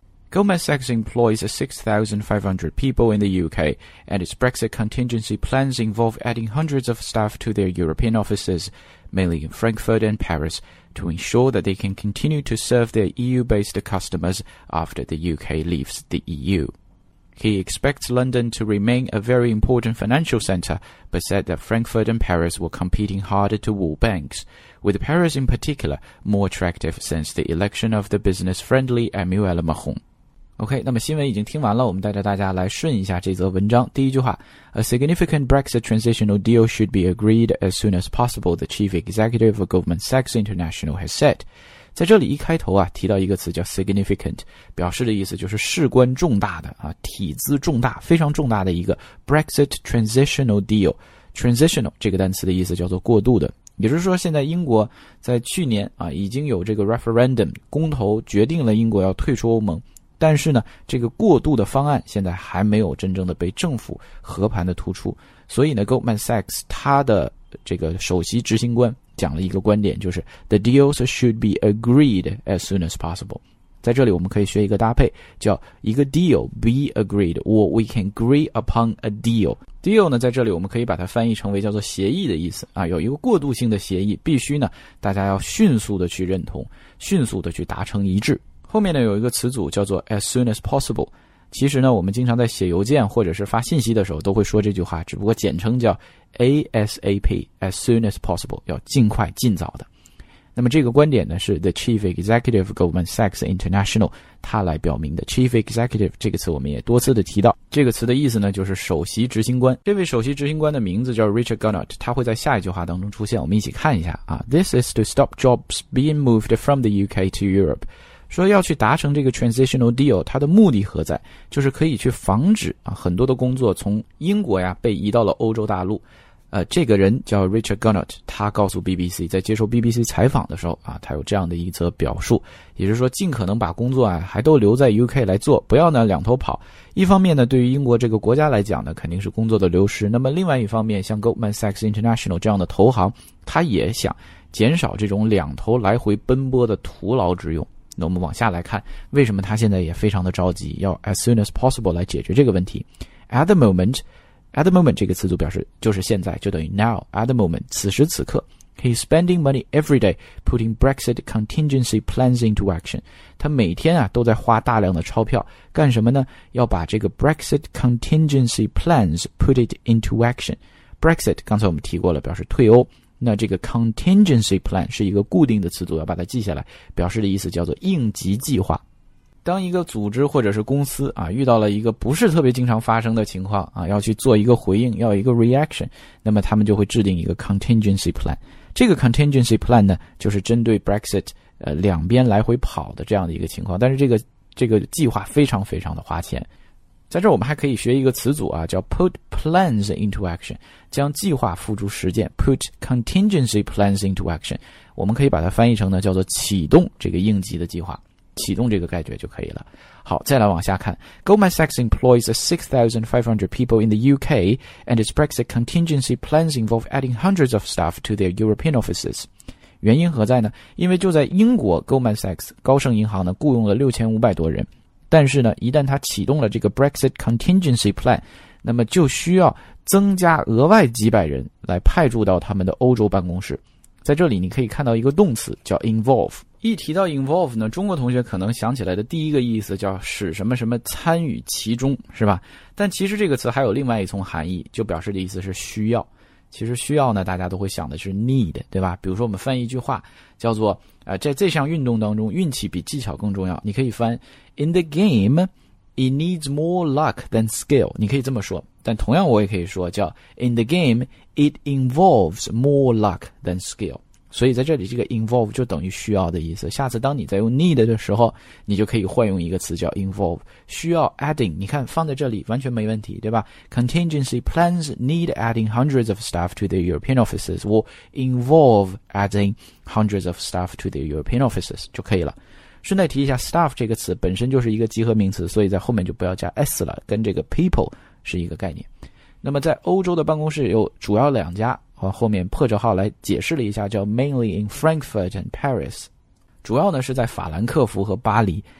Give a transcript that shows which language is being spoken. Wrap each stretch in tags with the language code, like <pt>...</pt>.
<en>Goldman Sachs employs 6,500 people in the UK, and its Brexit contingency plans involve adding hundreds of staff to their European offices, mainly in Frankfurt and Paris, to ensure that they can continue to serve their EU-based customers after the UK leaves the EU. He expects London to remain a very important financial centre, but said that Frankfurt and Paris were competing harder to woo banks, with Paris in particular more attractive since the election of the business-friendly Emmanuel Macron.</en> <zh>OK, 那么新闻已经听完了，我们带着大家来顺一下这则文章。第一句话 ,A</zh> <en>significant Brexit transitional deal should be agreed as soon as possible, the chief executive of Goldman Sachs International has said.</en> <zh>在这里一开头啊，提到一个词叫 significant, 表示的意思就是事关重大的啊，体资重大，非常重大的一个 Brexit transitional deal。 transitional 这个单词的意思叫做过渡的。也就是说现在英国在去年啊已经有这个 referendum, 公投决定了英国要退出欧盟。但是呢这个过渡的方案现在还没有真正的被政府和盘的突出。所以呢 ,Goldman Sachs 他的这个首席执行官讲了一个观点，就是 ,</zh> <en>the deals should be agreed as soon as possible.</en> <zh>在这里我们可以学一个搭配，叫一个 deal,</zh> <en>be agreed, or we can agree upon a deal.</en> <zh>Deal 呢在这里我们可以把它翻译成为叫做协议的意思啊，有一个过渡性的协议，必须呢大家要迅速的去认同，迅速的去达成一致。后面呢有一个词组叫做</zh> <en>as soon as possible,</en> <zh>其实呢我们经常在写邮件或者是发信息的时候都会说这句话，只不过简称叫 ASAP, as soon as possible, 要尽快尽早的。那么这个观点呢是</zh> <en>the chief executive of Goldman Sachs International,</en> <zh>他来表明的。 chief executive 这个词我们也多次的提到，这个词的意思呢就是首席执行官，这位首席执行官的名字叫 Richard Gunnott, 他会在下一句话当中出现，我们一起看一下啊。</zh> <en>This is to stop jobs being moved from the UK to Europe,</en> <zh>说要去达成这个 transitional deal, 它的目的何在，就是可以去防止啊很多的工作从英国呀被移到了欧洲大陆。这个人叫 Richard Gunnott, 他告诉 BBC, 在接受 BBC 采访的时候啊，他有这样的一则表述，也就是说尽可能把工作啊还都留在 UK 来做，不要呢两头跑。一方面呢对于英国这个国家来讲呢肯定是工作的流失，那么另外一方面像 Goldman Sachs International 这样的投行，他也想减少这种两头来回奔波的徒劳之用。那我们往下来看，为什么他现在也非常的着急，要</zh> <en>as soon as possible</en> <zh>来解决这个问题。</zh> <en>At the moment</en> <zh>这个词组表示就是现在，就等于 now, at the moment, 此时此刻。</zh> <en>He's spending money every day putting Brexit contingency plans into action.</en> <zh>他每天啊都在花大量的钞票，干什么呢？要把这个</zh> <en>Brexit contingency plans put it into action.</en> <zh>Brexit, 刚才我们提过了，表示退欧。那这个 contingency plan 是一个固定的词组，要把它记下来，表示的意思叫做应急计划。当一个组织或者是公司啊遇到了一个不是特别经常发生的情况啊，要去做一个回应，要一个 reaction, 那么他们就会制定一个 contingency plan。这个 contingency plan 呢就是针对 Brexit, 两边来回跑的这样的一个情况，但是这个计划非常非常的花钱。在这儿我们还可以学一个词组啊，叫</zh> <en>put plans into action,</en> <zh>将计划付诸实践，</zh> <en>put contingency plans into action,</en> <zh>我们可以把它翻译成呢叫做启动这个应急的计划，启动这个概念就可以了。好，再来往下看，</zh> <en>Goldman Sachs employs 6,500 people in the UK, and its Brexit contingency plans involve adding hundreds of staff to their European offices.</en> <zh>原因何在呢？因为就在英国， Goldman Sachs 高盛银行呢雇佣了6500多人，但是呢一旦他启动了这个 Brexit Contingency Plan, 那么就需要增加额外几百人来派驻到他们的欧洲办公室。在这里你可以看到一个动词叫 involve。一提到 involve 呢，中国同学可能想起来的第一个意思叫使什么什么参与其中，是吧？但其实这个词还有另外一层含义，就表示的意思是需要。其实需要呢大家都会想的是 need, 对吧？比如说我们翻译一句话叫做在这项运动当中运气比技巧更重要，你可以翻</zh> <en>In the game, it needs more luck than skill,</en> <zh>你可以这么说，但同样我也可以说叫</zh> <en>In the game, it involves more luck than skill,</en> <zh>所以在这里这个 involve 就等于需要的意思，下次当你在用 need 的时候，你就可以换用一个词叫 involve， 需要 adding， 你看放在这里完全没问题，对吧？</zh> <en>Contingency plans need adding hundreds of staff to their European offices will involve adding hundreds of staff to their European offices</en> <zh>就可以了。顺带提一下 staff 这个词本身就是一个集合名词，所以在后面就不要加 s 了，跟这个 people 是一个概念。那么在欧洲的办公室有主要两家，后面破折号来解释了一下，叫</zh> <en>mainly in Frankfurt and Paris，</en> <zh>主要呢是在法兰克福和巴黎。</zh>